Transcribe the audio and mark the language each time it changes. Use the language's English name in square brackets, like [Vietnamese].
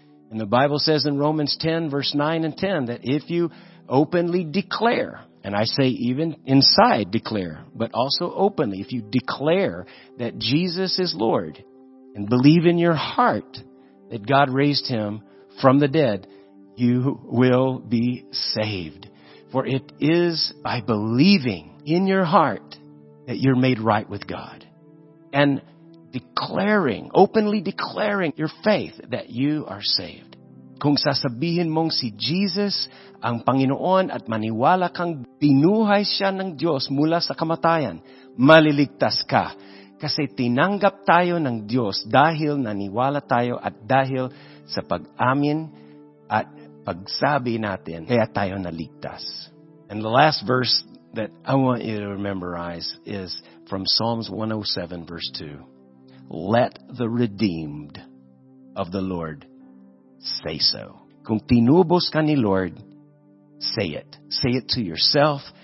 [English] And the Bible says in Romans 10, verse 9 and 10, that if you openly declare, and I say even inside declare, but also openly, if you declare that Jesus is Lord and believe in your heart that God raised him from the dead, you will be saved. For it is by believing in your heart that you're made right with God. And declaring, openly declaring your faith that you are saved. [Filipino] Kung sasabihin mong si Jesus ang Panginoon at maniwala kang binuhay siya ng Diyos mula sa kamatayan, maliligtas ka. Kasi tinanggap tayo ng Diyos dahil naniwala tayo at dahil sa pag-amin at pagsabi natin, kaya tayo naligtas. [English] And the last verse that I want you to memorize is from Psalms 107 verse 2. Let the redeemed of the Lord say so. [Filipino] Kung tinubos ka ni Lord, [English] say it. Say it to yourself.